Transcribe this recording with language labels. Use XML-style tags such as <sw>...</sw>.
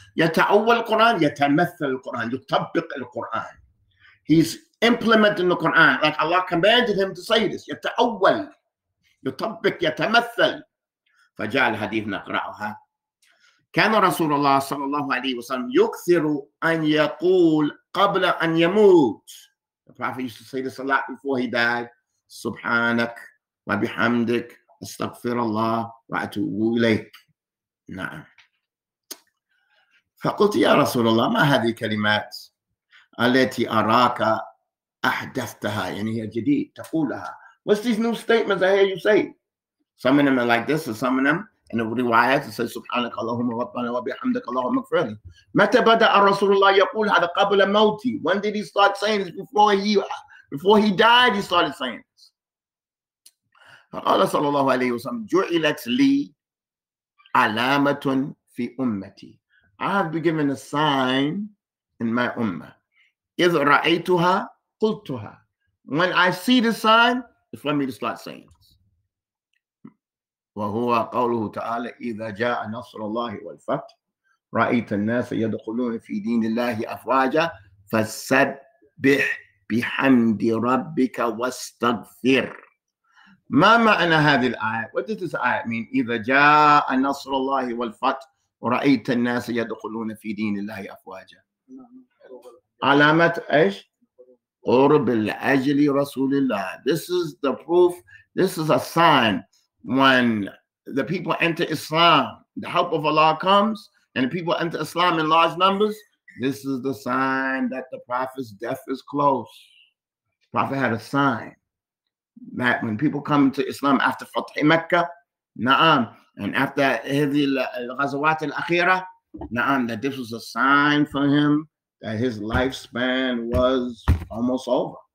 <ar>يتأول القرآن، يتمثل القرآن، يطبق القرآن.</ar> <en>He's implementing the Quran like Allah commanded him to say this.</en> <ar>يتأول، يطبق، يتمثل. فجاء الحديث نقرأها. كان رسول الله صلى الله عليه وسلم يكثر أن يقول قبل أن يموت.</ar> <en>The Prophet used to say this a lot before he died.</en> <ar>سبحانك وبحمدك استغفر الله وأتوب إليك. نعم. فقلت يا رسول الله ما هذه الكلمات التي أراك أحدثتها؟ يعني هي جديد تقولها.</ar> <en>What's these new statements I hear you say? Some of them are like this, and some of them in the riwayat says</en> <ar>سبحانك اللهم ربنا وبحمدك اللهم اغفر لي. متى بدأ رسول الله يقول هذا قبل موتي؟</ar> <en>When did he start saying this? Before he died, he started saying this.</en> <ar>فقال صلى الله عليه وسلم جعلت لي علامة في أمتي.</ar> <en>I have been given a sign in my ummah.</en> <ar>إذ رأيتها قلتها.</ar> <en>When I see the sign, it's for me to start saying this.</en> <ar>وهو قوله تعالى إذا جاء نصر الله والفتح رأيت الناس يدخلون في دين الله أفواجا فسبح بحمد ربك واستغفر. ما معنى هذه الآية؟</ar> <en>What does this ayah mean?</en> <ar>إذا جاء نصر الله والفتح رأيت الناس يدخلون في دين الله أفواجا. علامة إيش؟ قرب الأجل رسول الله.</ar> <en>This is the proof. This is a sign. When the people enter Islam, the help of Allah comes, and the people enter Islam in large numbers. This is the sign that the Prophet's death is close. The Prophet had a sign that when people come to Islam after Fath Mecca, na'am, and after</en> <ar>هذه الغزوات الأخيرة,</ar> <en>na'am, that this was a sign for him that his lifespan was almost over.</en>